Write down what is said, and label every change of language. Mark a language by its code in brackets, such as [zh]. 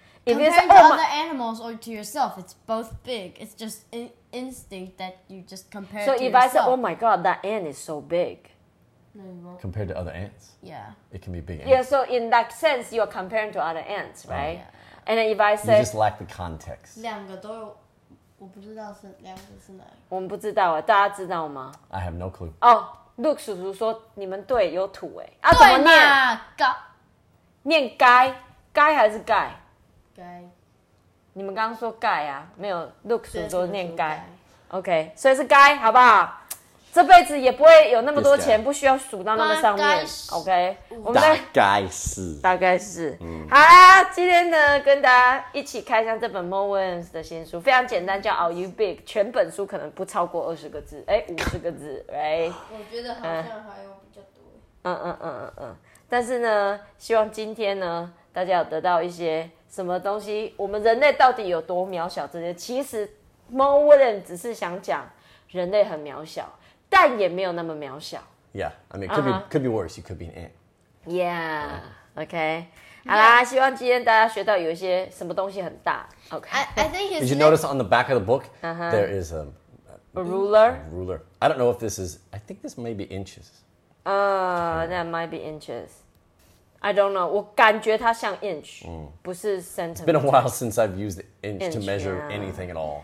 [en] Comparing to other animals or to yourself, it's both big. It's just instinct that you just compare. So to if、yourself. I say, "Oh my God, that ant is so big." Compared to other ants? Yeah. It can be big ants. Yeah, so in that sense, you're comparing to other ants, right?、Oh, yeah. And if I say... You just lack the context. [zh] 两个都有，我不知道是两个是哪个。我们不知道啊，大家知道吗 [en] ？I have no clue. [zh] Oh, Luke 叔叔说你们对有土哎、欸，啊怎么念？该念该该还是盖？该。你们刚刚说盖啊，没有 Luke 叔叔说念该。OK， 所以是该，好不好？这辈子也不会有那么多钱，不需要数到那么上面。 OK， 我们大概是，大概是。好啦，今天呢，跟大家一起看一下这本 Moens 的新书，非常简单，叫 Are You Big？全本书可能不超过20个字，哎，50个字 ，Right？我觉得好像还有比较多。但是呢，希望今天呢，大家有得到一些什么东西，我们人类到底有多渺小？这些其实 Moens 只是想讲人类很渺小。但也没有那么渺小。 [en] Yeah, I mean, could be worse. You could be an ant. Yeah. Okay. Yeah. [zh] 好啦，希望今天大家学到有一些什么东西很大。 [en] Okay. I think did you notice on the back of the book、there is a ruler. Ruler. I don't know if this is. I think this may be inches. That might be inches. I don't know. [zh] 我感觉它像 inch，不是 centimeter. [en] It's been a while since I've used inch to measure anything at all.